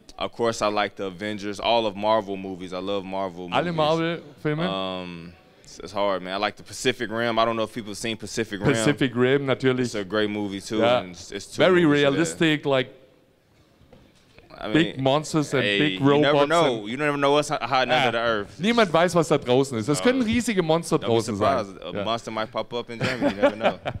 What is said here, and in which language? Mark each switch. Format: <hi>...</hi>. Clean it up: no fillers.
<en>Of course, I like the Avengers. All of Marvel movies. I love Marvel movies.</en> <de>Alle Marvel Filme.</de> <en>It's hard, man. I like the Pacific Rim. I don't know if people have seen Pacific Rim.</en> <de>Pacific Rim, natürlich.</de> <en>It's a great movie, too. Yeah. And it's too very realistic, there. Like, I mean, big monsters and hey, big robots. You never know. You never know what's hiding under the earth.</en> <de>Niemand weiß, was da draußen ist. Es können riesige Monster draußen sein.</de> <en>A monster might pop up in Germany. You never know.</en>